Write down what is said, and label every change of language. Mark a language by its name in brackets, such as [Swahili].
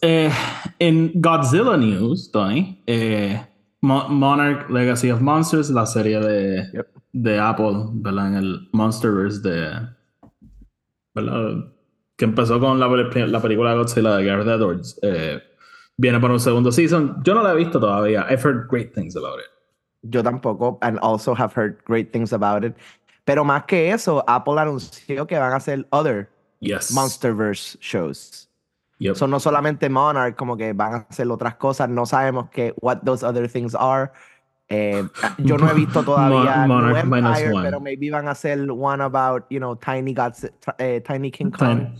[English] In Godzilla news, [Spanish] Tony, Monarch Legacy of Monsters, la serie de Apple, ¿verdad? En el Monsterverse de. ¿Verdad? Que empezó con la película Godzilla de Gareth Edwards, viene para un segundo season. Yo no la he visto todavía. [English] I've heard great things about it. [Spanish] Yo tampoco, [English] and also have heard great things about it. [Spanish] Pero más que eso, Apple anunció que van a hacer [English] other Monsterverse shows. Yep. [Spanish] So no solamente Monarch, como que van a hacer otras cosas. No sabemos que [English] what those other things are. [Spanish] Yo no he visto todavía [English] Monarch Minus One, pero maybe [Spanish] van a hacer [English] one about, you know, Tiny King Kong.